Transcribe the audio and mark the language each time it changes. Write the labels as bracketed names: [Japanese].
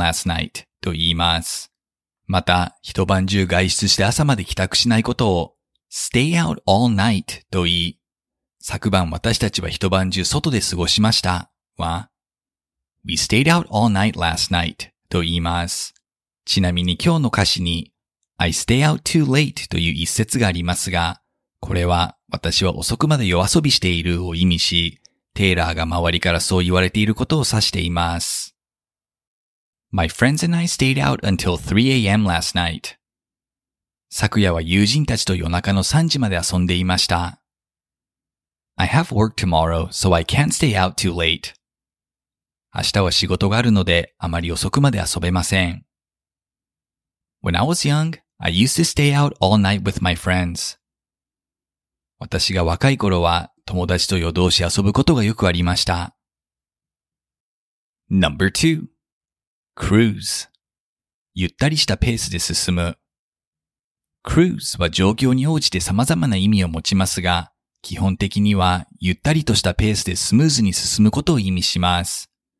[English] last night [Japanese] と言います。また、一晩中外出して朝まで帰宅しないことを、 [English] stay out all night [Japanese] と言い、昨晩私たちは一晩中外で過ごしましたは、 [English] We stayed out all night last night。 [Japanese] と言います。ちなみに今日の歌詞に [English] I stay out too late [Japanese] という一節がありますが、これは私は遅くまで夜遊びしているを意味し、テイラーが周りからそう言われていることを指しています。 [English] My friends and I stayed out until 3 a.m. last night. [Japanese] 昨夜は友人たちと夜中の3時まで遊んでいました。 [English] I have work tomorrow, so I can't stay out too late. [Japanese] 明日は仕事があるので、あまり遅くまで遊べません。 [English] When I was young, I used to stay out all night with my friends. [Japanese] 私が若い頃は、友達と夜通し遊ぶことがよくありました。 [English] Number 2. Cruise. [Japanese] ゆったりしたペースで進む。Cruise は状況に応じて様々な意味を持ちますが、基本的には、ゆったりとしたペースでスムーズに進むことを意味します。